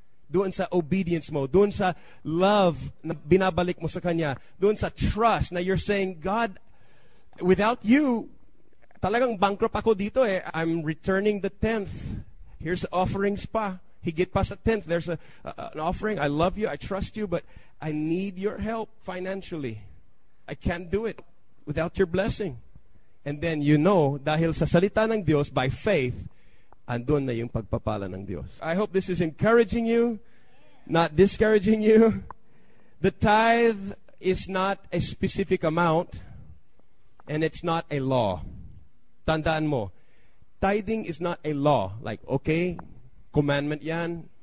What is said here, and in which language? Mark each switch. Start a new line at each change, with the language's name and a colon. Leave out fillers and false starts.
Filipino: Doon sa obedience mo, doon sa love na binabalik mo sa kanya, doon sa trust na
English: you're saying, God, without you,
Filipino: talagang bankrupt ako dito eh.
English: I'm returning the tenth. Here's offerings pa.
Filipino: Higit pa sa tenth.
English: There's an offering. I love you. I trust you. But I need your help financially. I can't do it without your blessing. And then you know,
Filipino: dahil sa salita ng Diyos, by faith, andun na yung pagpapala ng Diyos.
English: I hope this is encouraging you, not discouraging you. The tithe is not a specific amount, and it's not a law.
Filipino: Tandaan mo,
English: tithing is not a law. Like, okay, commandment yan.